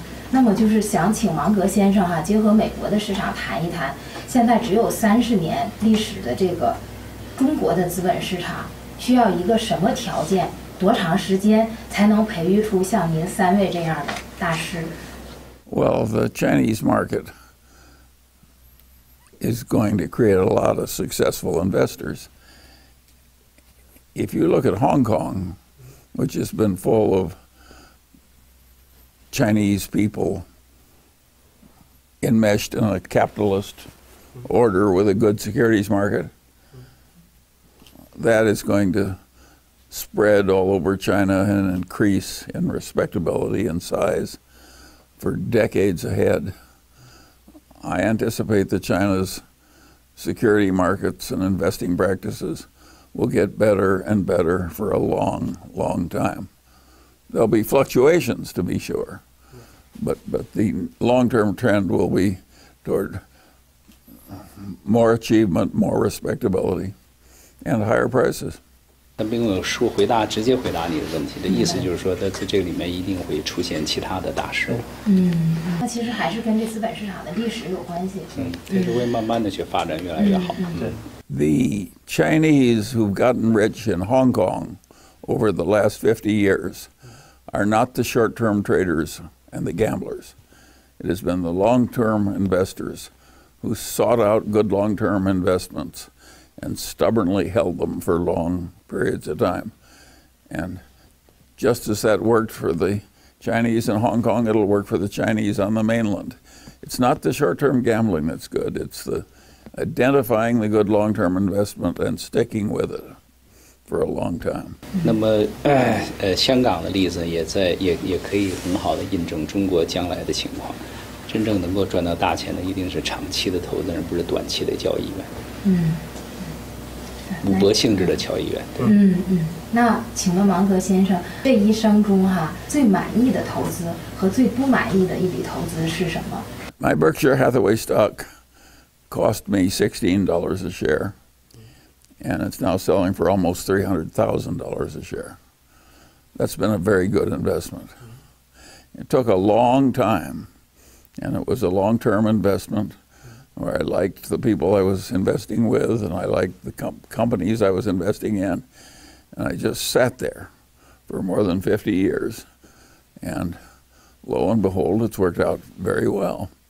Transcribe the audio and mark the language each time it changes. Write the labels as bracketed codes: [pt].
[zh] 那么就是想请芒格先生哈，结合美国的市场谈一谈，现在只有30年历史的这个中国的资本市场，需要一个什么条件，多长时间才能培育出像您3位这样的大师 [en] ？Well, the Chinese market. Is going to create a lot of successful investors. If you look at Hong Kong, which has been full of Chinese people enmeshed in a capitalist order with a good securities market, that is going to spread all over China and increase in respectability and size for decades ahead. I anticipate that China's security markets and investing practices will get better and better for a long, long time. There'll be fluctuations, to be sure, but the long-term trend will be toward more achievement, more respectability, and higher prices. [zh] 他并没有说回答直接回答你的问题的意思，就是说他在这里面一定会出现其他的大师。那其实还是跟这资本市场的历史有关系。它就会慢慢的去发展，越来越好。 [en] The Chinese who've gotten rich in Hong Kong over the last 50 years are not the short-term traders and the gamblers. It has been the long-term investors who sought out good long-term investments and stubbornly held them for long periods of time. And just as that worked for the Chinese in Hong Kong, it'll work for the Chinese on the mainland. It's not the short-term gambling that's good. It's the identifying the good long-term investment and sticking with it for a long time. [zh] 那么，香港的例子也在也可以很好的印证中国将来的情况。真正能够赚到大钱的，一定是长期的投资人，不是短期的交易员。嗯，赌博性质的交易员。嗯嗯，那请问芒格先生，这一生中哈最满意的投资和最不满意的一笔投资是什么？ [en] My Berkshire Hathaway stock cost me $16 a share, and it's now selling for almost $300,000 a share. That's been a very good investment. It took a long time, and it was a long-term investment where I liked the people I was investing with, and I liked the companies I was investing in, and I just sat there for more than 50 years, and lo and behold, it's worked out very well.